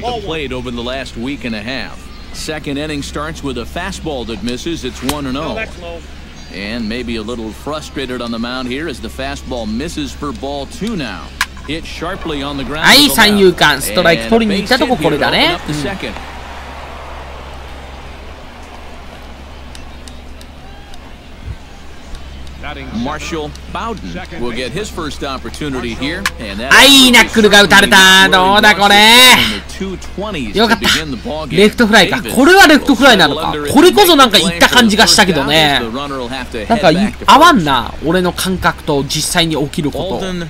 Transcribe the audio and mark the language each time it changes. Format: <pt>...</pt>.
<en>Second inning starts with a fastball that misses. It's 1-0. And maybe a little frustrated on the mound here as the fastball misses for ball 2 now. Hit sharply on the ground.</en> <ja>はい、三遊間ストライク取りに行ったとここれだね。</ja> <en>Marshall Bowden will get his first opportunity here.</en> <ja>はい、ナックルが打たれた。どうだこれ。よかった。レフトフライか。これはレフトフライなのか。これこそなんか行った感じがしたけどね。なんか合わんな。俺の感覚と実際に起きること。</ja>